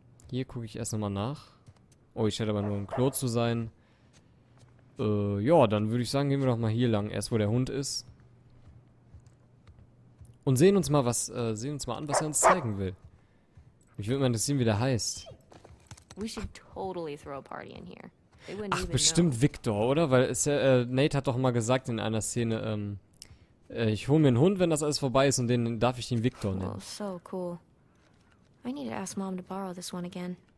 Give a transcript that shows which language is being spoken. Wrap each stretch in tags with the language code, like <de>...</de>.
<de>Hier gucke ich erst noch mal nach. Oh, ich schätze aber nur, im Klo zu sein. Ja, dann würde ich sagen, gehen wir doch mal hier lang, erst wo der Hund ist. Und sehen uns mal an, was er uns zeigen will. Mich würde mal interessieren, wie der heißt.</de> <en>We should totally throw a party in here.</en> <de>Ach, bestimmt Victor, oder? Weil es ja, Nate hat doch mal gesagt in einer Szene, ich hole mir einen Hund, wenn das alles vorbei ist, und den darf ich den Victor nennen. Oh, so cool.</de> <en>I need to ask Mom to borrow this one again.</en>